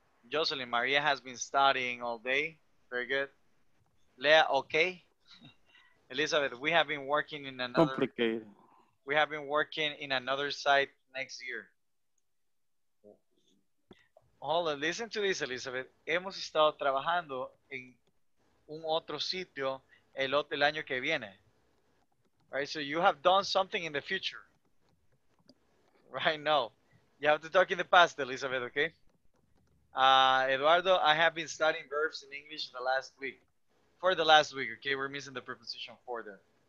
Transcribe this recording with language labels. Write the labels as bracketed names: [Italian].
[English] Jocelyn, Maria has been studying all day. Very good. Leah, okay. Elizabeth, we have been working in another... Complicated. We have been working in another site next year. Hold on, listen to this, Elizabeth. [Spanish] Hemos estado trabajando en un otro sitio el año que viene. [English] Right, so you have done something in the future. Right now. You have to talk in the past, Elizabeth, okay? Eduardo, I have been studying verbs in English for the last week, okay? We're missing the preposition for there.